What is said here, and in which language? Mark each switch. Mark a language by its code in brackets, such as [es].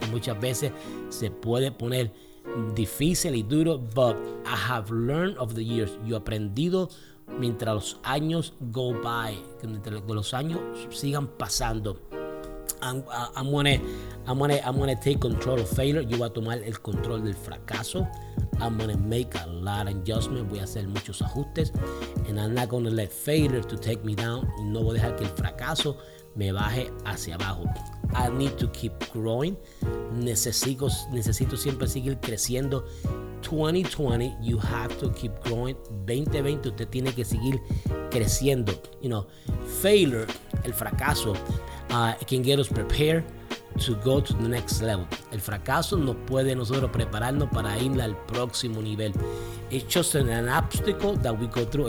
[es] Muchas veces se puede poner difícil y duro, but I have learned over the years. Yo he aprendido mientras los años go by, mientras los años sigan pasando. [en] I'm gonna take control of failure. [es] Yo voy a tomar el control del fracaso. [en] I'm gonna make a lot of adjustments. Voy a hacer muchos ajustes. And I'm not gonna let failure to take me down. [es] No voy a dejar que el fracaso me baje hacia abajo. [en] I need to keep growing. Necesito siempre seguir creciendo. 2020, you have to keep growing. 2020, usted tiene que seguir creciendo. You know, failure, el fracaso, it can get us prepared to go to the next level. [es] El fracaso nos puede nosotros prepararnos para ir al próximo nivel. [en] It's just an obstacle that we go through.